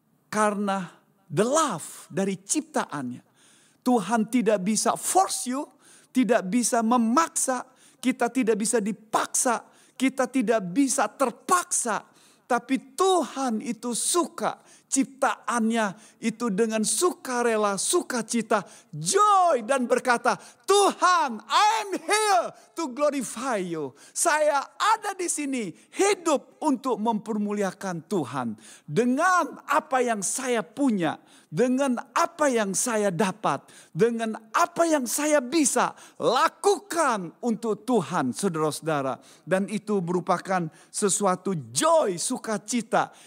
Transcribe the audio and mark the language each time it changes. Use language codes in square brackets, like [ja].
[id] Karena [en] the love [id] dari ciptaannya. Tuhan tidak bisa [en] force you. [id] Tidak bisa memaksa. Kita tidak bisa dipaksa. Kita tidak bisa terpaksa. Tapi Tuhan itu suka ciptaannya. Itu dengan sukarela, sukacita, joy. Dan berkata, [en] Tuhan, I am here to glorify you. [id] Saya ada di sini hidup untuk mempermuliakan Tuhan. Dengan apa yang saya punya. Dengan apa yang saya dapat. Dengan apa yang saya bisa lakukan untuk Tuhan, saudara-saudara. Dan itu merupakan sesuatu joy, sukacita.